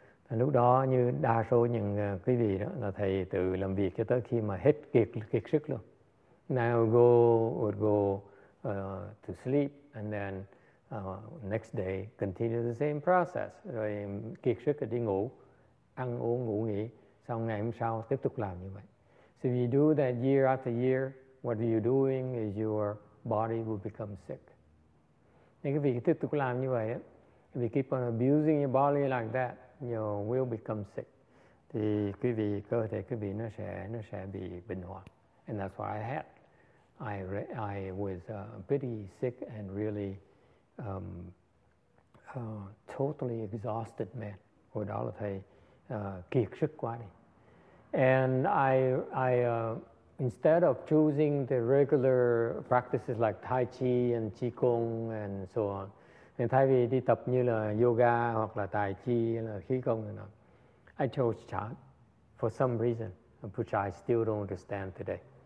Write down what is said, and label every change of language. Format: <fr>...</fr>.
<vi>Lúc đó như đa số những quý vị đó là thầy tự làm việc cho tới khi mà hết kiệt sức luôn.</vi> <en>Now would go to sleep and then next day continue the same process.</en> <vi>Rồi kiệt sức thì đi ngủ, ăn uống ngủ nghỉ, xong ngày hôm sau tiếp tục làm như vậy.</vi> <en>So if you do that year after year, what are you doing is your body will become sick.</en> <vi>Nên quý vị tiếp tục làm như vậy đó.</vi> <en>If you keep on abusing your body like that, you will become sick.</en> <vi>Thì quý vị, cơ thể quý vị nó sẽ bị bệnh hoạn.</vi> <en>And that's what I had. I was pretty sick and really totally exhausted, man.</en> <vi>Hồi đó là thầy kiệt sức quá đi.</vi> <en>And I instead of choosing the regular practices like Tai Chi and Qigong and so on,</en> <vi>nên thay vì đi tập như là yoga hoặc là tai chi hay là khí công nào,</vi> <en>I chose Chan for some reason, which I still don't understand today.</en>